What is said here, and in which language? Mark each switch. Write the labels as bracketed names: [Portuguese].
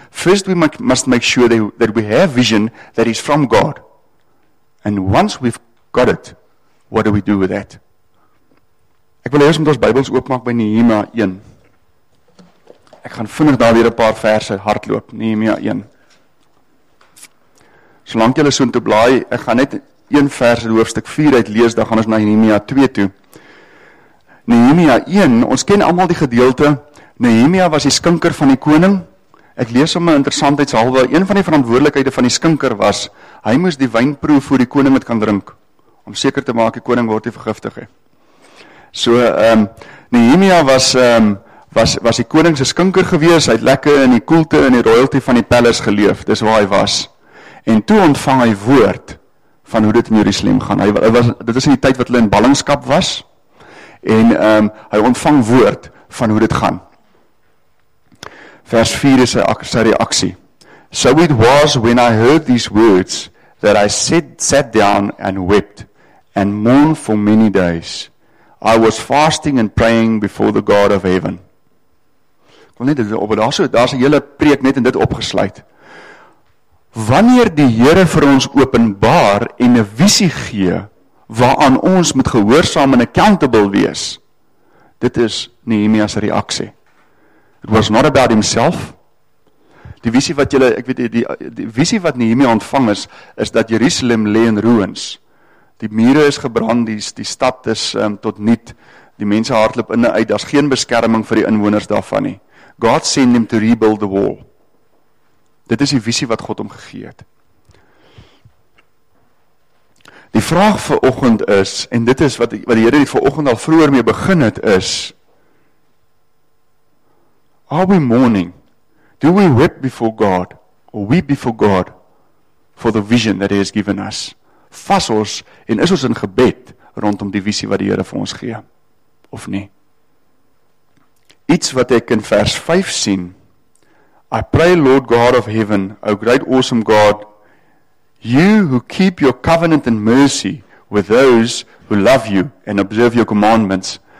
[English] First we must make sure that we have vision that is from God. And once we've got it, what do we do with that? [Afrikaans] Ek wil hê ons moet ons Bybels oopmaak by Nehemia 1. Ek gaan vinnig daar weer 'n paar verse hardloop, Nehemia 1. Solank jy so intoe blaai, ek gaan net een vers in hoofstuk 4 uit lees, dan gaan ons na Nehemia 2 toe. Nehemia 1, ons ken almal die gedeelte. Nehemia was die skinker van die koning. Ek lees sommer interessantheidshalwe, een van die verantwoordelikhede van die skinker was, hy moes die wynproe voor die koning het kan drink, om seker te maak, die koning word nie vergiftig. So, Nehemia was die koning se skinker gewees, hy het lekker in die koelte en die royalty van die palace geleef, dis waar hy was. En toe ontvang hy woord, van hoe dit in Jerusalem gaan. Dit is in die tyd wat hulle in ballingskap was, en hy ontvang woord van hoe dit gaan. Vers 4 is sy reaksie. [English] So it was when I heard these words, that I sat down and wept, and mourned for many days. I was fasting and praying before the God of heaven. [Afrikaans] Ek wil net dit op, daar is die hele preek net in dit opgesluit. Wanneer die Here vir ons openbaar en 'n visie gee, waaraan ons moet gehoorsaam en accountable wees, dit is Nehemia se reaksie. It was not about himself. Die visie wat Nehemia ontvang is dat Jerusalem lê in ruïnes. Die mure is gebrand, die stad is tot niet, die mense hardloop in en uit, daar's geen beskerming vir die inwoners daarvan nie. [English] God send them to rebuild the wall. [Afrikaans] Dit is die visie wat God hom gegee het. Die vraag vir oggend is, en dit is wat die Here die vanoggend al vroeër mee begin het, is are we mourning? [English] Do we weep before God? Or weep before God for the vision that He has given us? [Afrikaans] Vas ons en is ons in gebed rondom die visie wat die Here vir ons gee? [English] Of nie? Iets wat ek in vers 5 sien, I pray, Lord God of heaven, O great awesome God, you who keep your covenant and mercy with those who love you and observe your commandments.